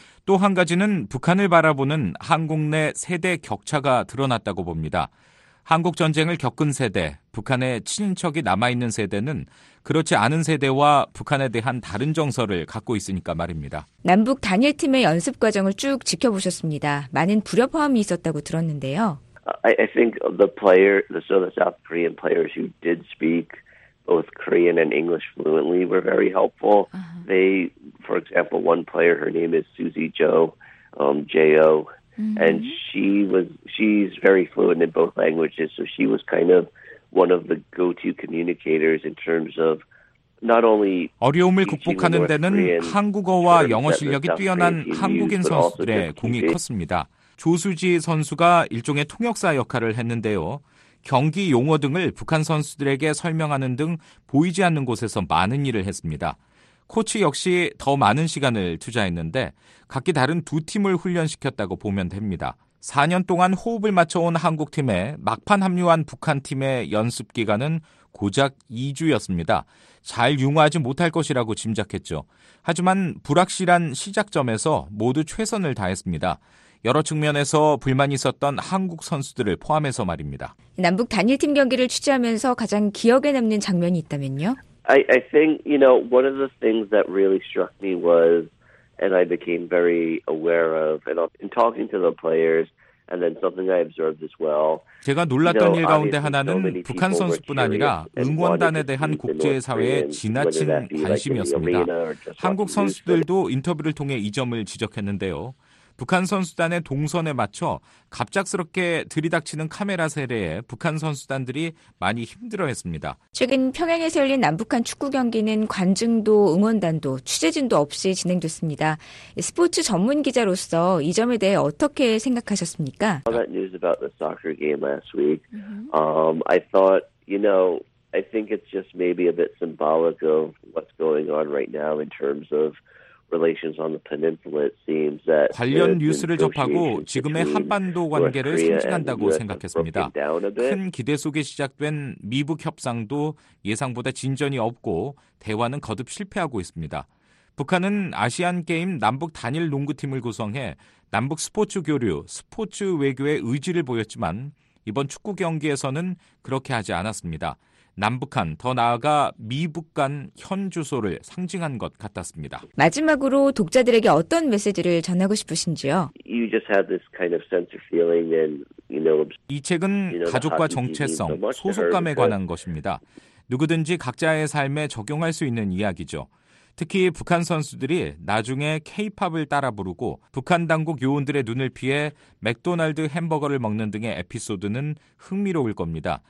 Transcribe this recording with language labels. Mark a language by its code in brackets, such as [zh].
[ko] 또 한 가지는 북한을 바라보는 한국 내 세대 격차가 드러났다고 봅니다. 한국 전쟁을 겪은 세대, 북한의 친인척이 남아있는 세대는 그렇지 않은 세대와 북한에 대한 다른 정서를 갖고 있으니까 말입니다. 남북 단일팀의 연습 과정을 쭉 지켜보셨습니다. 많은 불협화음이 있었다고 들었는데요. [en] I think the South Korean players who did speak both Korean and English fluently were very helpful. They, for example, one player, her name is Susie Jo, J-O, and she's very fluent in both languages, so she was kind of one of the go-to communicators in terms of not only [ko] 어려움을 극복하는 데는 한국어와 영어 실력이 뛰어난 한국인 선수들의 공이 컸습니다. 조수지 선수가 일종의 통역사 역할을 했는데요. 경기 용어 등을 북한 선수들에게 설명하는 등 보이지 않는 곳에서 많은 일을 했습니다. 코치 역시 더 많은 시간을 투자했는데 각기 다른 두 팀을 훈련시켰다고 보면 됩니다. 4년 동안 호흡을 맞춰온 한국팀에 막판 합류한 북한팀의 연습 기간은 고작 2주였습니다. 잘 융화하지 못할 것이라고 짐작했죠. 하지만 불확실한 시작점에서 모두 최선을 다했습니다. 여러 측면에서 불만이 있었던 한국 선수들을 포함해서 말입니다. 남북 단일팀 경기를 취재하면서 가장 기억에 남는 장면이 있다면요? [en] I think, you know, one of the things that really struck me was, and I became very aware of, and in talking to the players, and then something I observed as well. [ko] 제가 놀랐던 일 가운데 하나는 북한 선수뿐 아니라 응원단에 대한 국제사회의 지나친 관심이었습니다. 한국 선수들도 인터뷰를 통해 이 점을 지적했는데요. 북한 선수단의 동선에 맞춰 갑작스럽게 들이닥치는 카메라 세례에 북한 선수단들이 많이 힘들어했습니다. 최근 평양에서 열린 남북한 축구 경기는 관중도 응원단도 취재진도 없이 진행됐습니다. 스포츠 전문 기자로서 이 점에 대해 어떻게 생각하셨습니까? [en] All that news about the soccer game last week. I thought, you know, I think it's just maybe a bit symbolic of what's going on right now in terms of relations on the peninsula, it seems that [ko] 관련 뉴스를 접하고 지금의 한반도 관계를 상징한다고 생각했습니다. 큰 기대 속에 시작된 미북 협상도 예상보다 진전이 없고 대화는 거듭 실패하고 있습니다. 북한은 아시안게임 남북 단일 농구팀을 구성해 남북 스포츠 교류, 스포츠 외교의 의지를 보였지만 이번 축구 경기에서는 그렇게 하지 않았습니다. 남북한, 더 나아가 미북 간 현주소를 상징한 것 같았습니다. 마지막으로 독자들에게 어떤 메시지를 전하고 싶으신지요? [en] You just have this kind of sense of feeling and, you know, [ko] 이 책은 가족과 정체성, 소속감에 관한 것입니다. 누구든지 각자의 삶에 적용할 수 있는 이야기죠. 특히 북한 선수들이 나중에 K-POP을 따라 부르고 북한 당국 요원들의 눈을 피해 맥도날드 햄버거를 먹는 등의 에피소드는 흥미로울 겁니다.